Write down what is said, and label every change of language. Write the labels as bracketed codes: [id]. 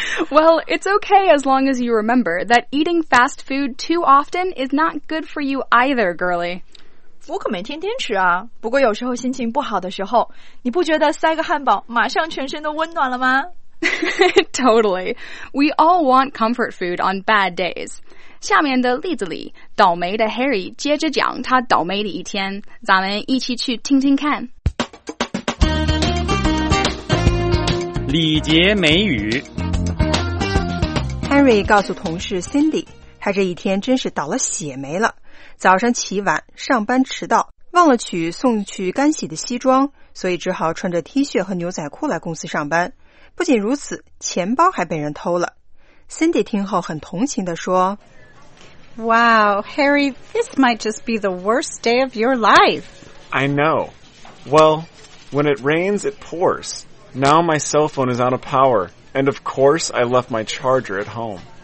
[en] Well, it's okay as long as you remember that eating fast food too often is not good for you either, girly. [zh] 我可没天天吃啊。不过有时候心情不好的时候，你不觉得塞个汉堡马上全身都温暖了吗？ [en] Totally. We all want comfort food on bad days. [zh] 下面的例子里，倒霉的 Harry 接着讲他倒霉的一天，咱们一起去听听看。礼节美语。 Harry 告诉同事 Cindy， 他这一天真是倒了血霉了，早上起晚，上班迟到，忘了取送去干洗的西装，所以只好穿着 T 恤和牛仔裤来公司上班。不仅如此，钱包还被人偷了。 Cindy 听后很同情地说， [en] Wow, Harry, this might just be the worst day of your life. I know. Well, when it rains, it pours. Now my cell phone is out of power, and of course I left my charger at home.